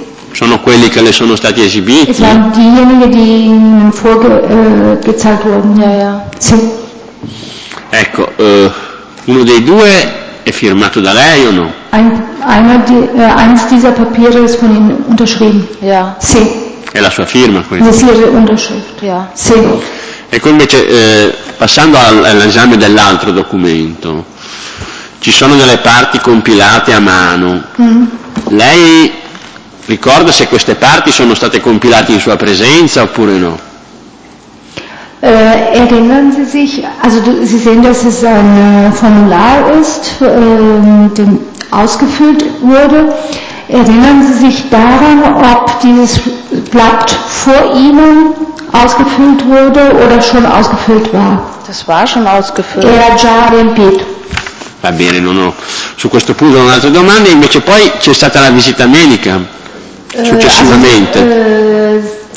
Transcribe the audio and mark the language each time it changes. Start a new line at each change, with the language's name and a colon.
Italian: Sono quelli che le sono stati esibiti. Ecco, uno dei due è firmato da lei o no?
German: Eines dieser Papiere ist von Ihnen unterschrieben. Ja.
Italian: Sì. È la sua firma, quindi.
German: Das ist Ihre Unterschrift, ja.
Italian: Sì. Ecco, invece, passando all'esame dell'altro documento, ci sono delle parti compilate a mano. Lei ricorda se queste parti sono state compilate in sua presenza oppure no?
German: Erinnern Sie sich, also Sie sehen, dass es ein Formular ist, den ausgefüllt wurde. Erinnern Sie sich daran, ob dieses Blatt vor Ihnen ausgefüllt wurde oder schon ausgefüllt war? Das war schon ausgefüllt.
Italian: Era già riempito. Va bene, non ho su questo punto un'altra domanda. Invece poi c'è stata la visita medica successivamente.